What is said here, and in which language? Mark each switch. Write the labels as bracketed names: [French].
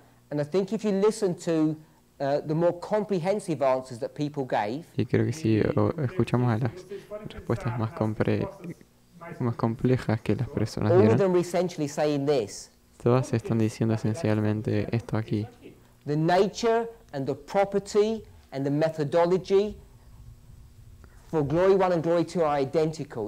[English] And I think if you listen to the more comprehensive answers that people gave. [Spanish] Y creo que si escuchamos a las respuestas más más complejas que las personas dieron. [English] All of them essentially saying this. [Spanish] Todas están diciendo esencialmente esto aquí. [English] The nature and the property and the methodology for glory one and glory two are identical.